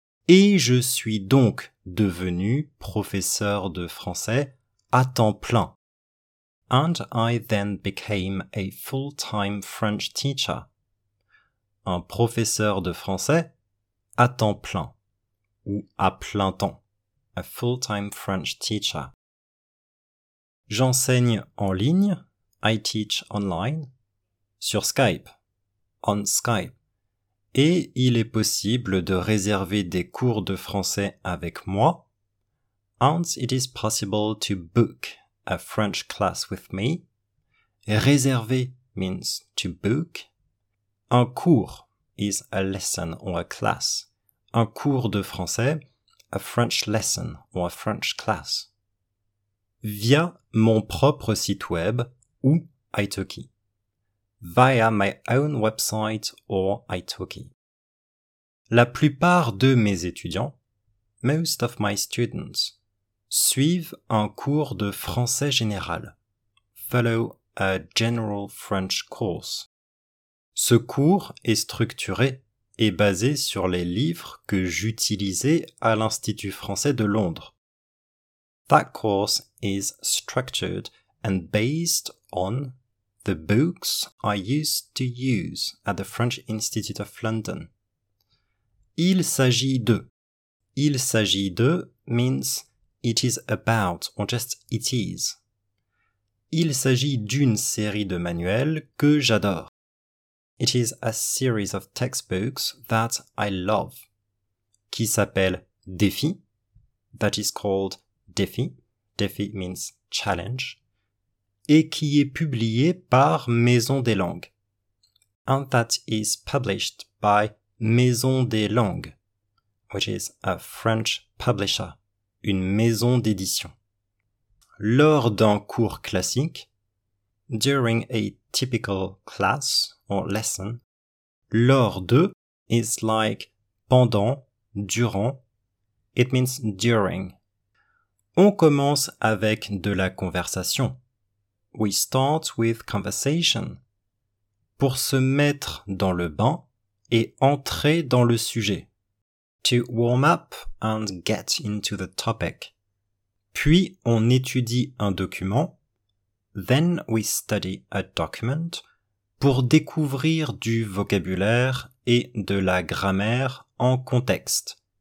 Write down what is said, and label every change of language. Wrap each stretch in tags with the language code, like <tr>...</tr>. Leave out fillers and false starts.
<fr>Et je suis donc devenu professeur de français à temps plein.</fr> <en>And I then became a full-time French teacher.</en> <fr>Un professeur de français à temps plein, ou à plein temps,</fr> <en>a full-time French teacher.</en> <fr>J'enseigne en ligne,</fr> <en>I teach online,</en> <fr>sur Skype,</fr> <en>on Skype.</en> <fr>Et il est possible de réserver des cours de français avec moi.</fr> <en>And it is possible to book a French class with me. Réserver means to book. Un cours is a lesson or a class.</en> <fr>Un cours de français,</fr> <en>a French lesson or a French class.</en> <fr>Via mon propre site web ou italki.</fr> <en>Via my own website or italki.</en> <fr>La plupart de mes étudiants,</fr> <en>most of my students,</en> <fr>suivent un cours de français général,</fr> <en>follow a general French course.</en> <fr>Ce cours est structuré et basé sur les livres que j'utilisais à l'Institut français de Londres.</fr> <en>That course is structured and based on the books I used to use at the French Institute of London.</en> <fr>Il s'agit de</fr> <en>means it is about or just it is.</en> <fr>Il s'agit d'une série de manuels que j'adore.</fr> <en>It is a series of textbooks that I love.</en> <fr>Qui s'appelle Défi.</fr> <en>That is called Défi. Défi means challenge.</en> <fr>Et qui est publié par Maison des Langues.</fr> <en>And that is published by Maison des Langues, which is a French publisher,</en> <fr>une maison d'édition. Lors d'un cours classique,</fr> <en>during a typical class or lesson,</en> <fr>lors de</fr> <en>is like pendant, durant, it means during.</en> <fr>On commence avec de la conversation.</fr> <en>We start with conversation.</en> <fr>Pour se mettre dans le bain et entrer dans le sujet.</fr> <en>To warm up and get into the topic.</en> <fr>Puis on étudie un document.</fr> <en>Then we study a document</en> <fr>pour découvrir du vocabulaire et de la grammaire en contexte.</fr>